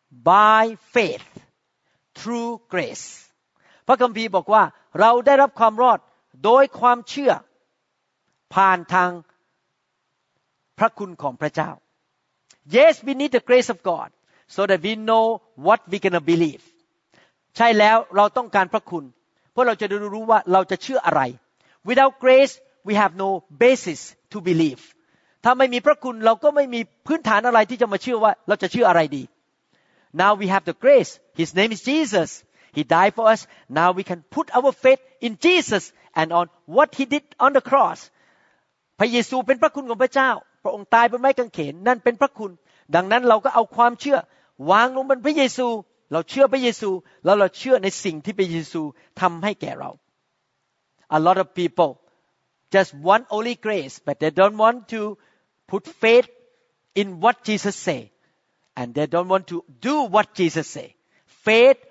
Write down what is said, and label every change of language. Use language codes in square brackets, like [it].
[en] by faith through grace [th] พระคัมภีร์บอกว่าเราได้รับความรอดโดยความเชื่อผ่านทางพระคุณของพระเจ้า [en] Yes we need the grace of God so that we know what we're going to believe [th] ใช่แล้วเราต้องการพระคุณเพื่อเราจะรู้ว่าเราจะเชื่ออะไร [en] Without grace, we have no basis to believe. [th] ถ้าไม่มีพระคุณเราก็ไม่มีพื้นฐานอะไรที่จะมาเชื่อว่าเราจะเชื่ออะไรดี [en] Now we have the grace. His name is Jesus. He died for us. Now we can put our faith in Jesus and on what he did on the cross. [th] พระเยซูเป็นพระคุณของพระเจ้าพระองค์ตายบนไม้กางเขนนั่นเป็นพระคุณดังนั้นเราก็เอาความเชื่อวางลงบนพระเยซูเราเชื่อพระเยซูแล้วเราเชื่อในสิ่งที่พระเยซูทำให้แก่เรา [en] A lot of people just want only grace, but they don't want to put faith in what Jesus say, and they don't want to do what Jesus say. Faith